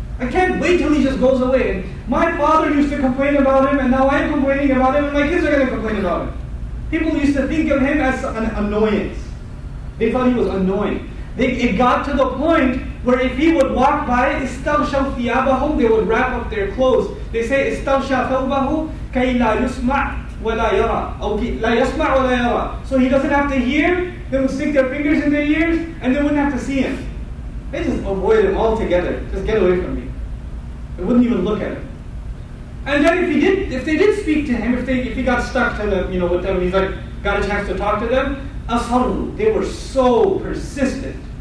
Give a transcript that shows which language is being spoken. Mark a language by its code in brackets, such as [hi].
[en] I can't wait till he just goes away. My father used to complain about him, and now I'm complaining about him, and my kids are going to complain about him. People used to think of him as an annoyance. They thought he was annoying. It got to the point where if he would walk by, [ar] استغشوا ثيابه, [en] they would wrap up their clothes. They say, [ar] استغشى ثوبه كي لا يسمع ولا يرى. لا يسمع ولا يرى. [en] So he doesn't have to hear, they would stick their fingers in their ears, and they wouldn't have to see him. They just avoid him altogether. Just get away from me. They wouldn't even look at him. And then if they did speak to him, if he got stuck to them, you know, with them, he's like got a chance to talk to them, asharru, they were so persistent.